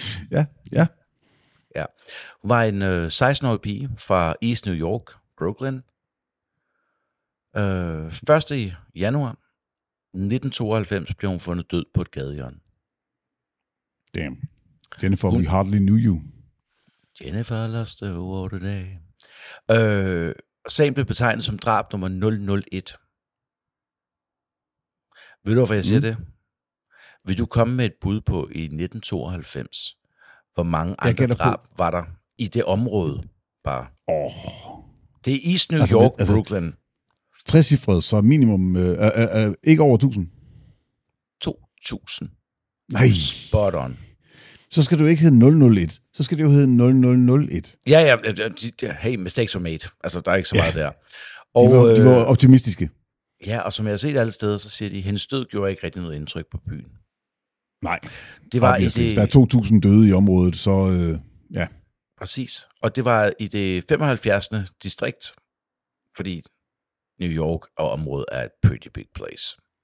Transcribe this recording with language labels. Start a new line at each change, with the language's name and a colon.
Danish: Ja. Ja. Hun var en 16-årig pige fra East New York, Brooklyn. 1. januar 1992 blev hun fundet død på et gadehjørne. Damn.
English: Jennifer, hun, we hardly knew you. Jennifer lost the world today.
Danish: Sagen blev betegnet som drab nummer 001. Ved du, hvorfor jeg siger det? Vil du komme med et bud på i 1992, hvor mange andre drab på var der i det område? Bare. Oh. Det er East New York, altså, Brooklyn. Trecifret, så minimum ikke over 1000. 2000. Nej. Spot on. Så skal du ikke hedde 001, så skal det jo hedde 0001.
English: Ja, ja, hey, mistakes were made.
Danish: Altså, der er ikke så meget der. Og de var optimistiske. Ja, og som jeg har set alle steder, så siger de, hendes død gjorde ikke rigtig noget indtryk på byen. Nej, det var obviously. Der er 2.000 døde i området, så ja. Præcis, og det var i det 75. distrikt, fordi New York og området er et
English: pretty big place.